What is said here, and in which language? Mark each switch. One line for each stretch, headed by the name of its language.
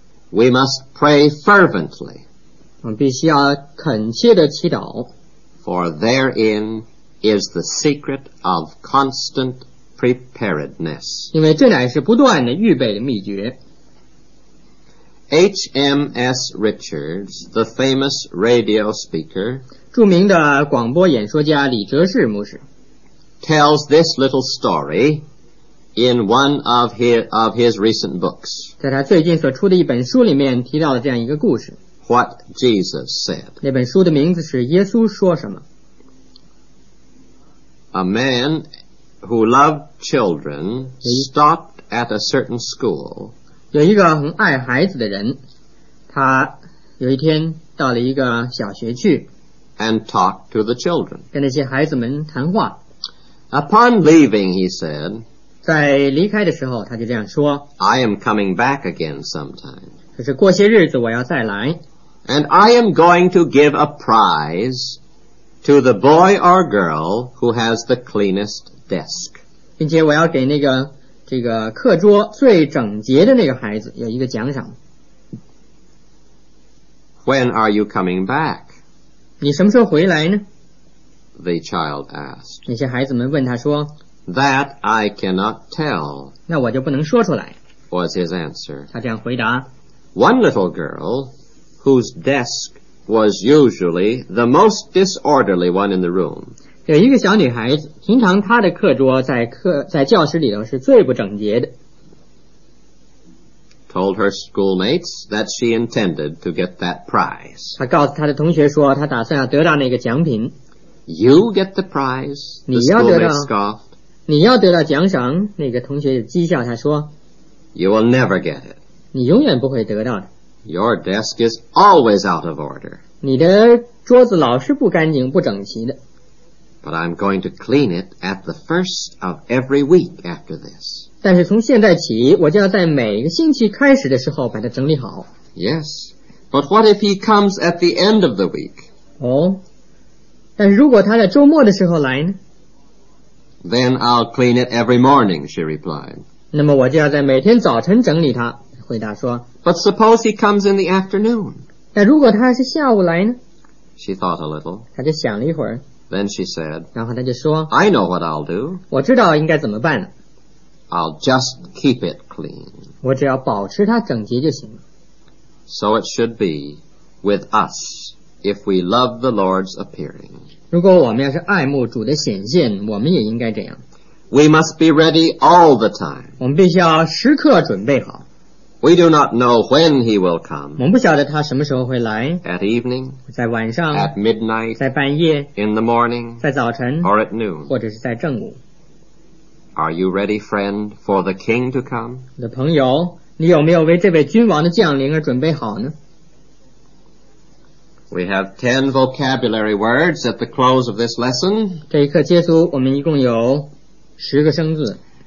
English: We must pray fervently.
Chinese: 我们必须要恳切地祈祷。
English: For therein is the secret of constant preparedness.
Chinese: 因为这乃是不断的预备的秘诀。
English: H.M.S. Richards, the famous radio speaker,
Chinese: 著名的广播演说家李哲士牧师
English: tells this little story in one of his recent books.
Chinese: 在他最近所出的一本书里面提到了这样一个故事。
English: What Jesus said.
Chinese: 那本书的名字是耶稣说什么。
English: A man who loved children stopped at a certain school.
Chinese: 有一个很爱孩子的人，他有一天到了一个小学去。
English: And talked to the children.
Chinese: 跟那些孩子们谈话。
English: Upon leaving, he said.
Chinese: 在离开的时候，他就这样说。
English: I am coming back again sometime.
Chinese: 可是过些日子我要再来。
English: And I am going to give a prize to the boy or girl who has the cleanest desk.
Chinese: 并且我要给那个这个课桌最整洁的那个孩子有一个奖赏。
English: When are you coming back?
Chinese: 你什么时候回来呢?
English: The child asked.
Chinese: 那些孩子们问他说。
English: That I cannot tell.
Chinese: 那我就不能说出来。
English: Was his answer.
Chinese: 他这样回答。
English: One little girl, whose desk was usually the most disorderly one in the room.
Chinese: 有一个小女孩子，平常她的课桌在教室里头是最不整洁的。
English: Told her schoolmates that she intended to get that prize.
Chinese: 她告诉她的同学说，她打算要得到那个奖品。
English: You get the prize, the schoolmates scoffed.
Chinese: 你要得到奖赏，那个同学讥笑她说。
English: You will never get it.
Chinese: 你永远不会得到的。
English: Your desk is always out of order.
Chinese: 你的桌子老是不干净不整齐的。
English: But I'm going to clean it at the first of every week after this.
Chinese: 但是从现在起我就要在每个星期开始的时候把它整理好。
English: Yes, but what if he comes at the end of the week?
Chinese: 哦，但是如果他在周末的时候来呢？
English: Then I'll clean it every morning, she replied.
Chinese: 那么我就要在每天早晨整理它。回答说
English: But suppose he comes in the afternoon.
Chinese: 但如果他是下午来呢?
English: She thought a little.
Chinese: 他就想了一会儿。
English: Then she said,
Chinese: 然后他就说
English: I know what I'll do.
Chinese: 我知道应该怎么办。
English: I'll just keep it clean.
Chinese: 我只要保持它整洁就行了。
English: So it should be with us if we love the Lord's appearing.
Chinese: 如果我们要是爱慕主的显现我们也应该这样。
English: We must be ready all the time.
Chinese: 我们必须要时刻准备好。
English: We do not know when he will come.
Chinese: 我们不晓得他什么时候会来。
English: At evening.
Chinese: 在晚上。
English: At midnight.
Chinese: 在半夜。
English: In the morning.
Chinese: 在早晨。
English: Or at noon.
Chinese: 或者是在正午。
English: Are you ready, friend, for the king to come?
Chinese: 你的朋友，你有没有为这位君王的降临而准备好呢？
English: We have 10 vocabulary words at the close of this lesson.
Chinese: 这一课结束，我们一共有十个生字。